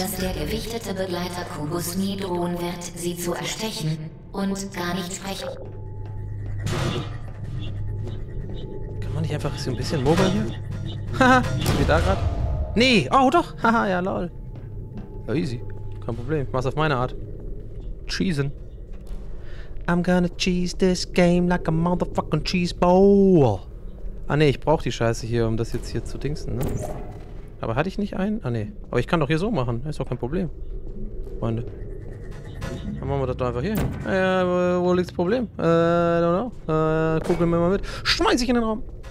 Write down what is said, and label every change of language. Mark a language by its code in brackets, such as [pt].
[de] Dass der gewichtete Begleiter Kubus nie drohen wird, sie zu erstechen und gar nicht sprechen. Kann man nicht einfach so ein bisschen mobile hier? Haha, sind wir da gerade? Nee, oh doch, haha, ja lol. Ja, easy, kein Problem, mach's auf meine Art. Cheesen. [en] I'm gonna cheese this game like a motherfucking cheese ball. [de] Ah ne, ich brauch die Scheiße hier, um das jetzt hier zu dingsen, ne? Aber hatte ich nicht einen? Ah ne. Aber ich kann doch hier so machen. Ist doch kein Problem. Freunde. Dann machen wir das doch einfach hier hin. Wo liegt das Problem? [en] I don't know. [de] Kugeln wir mal mit. Schmeiß ich in den Raum!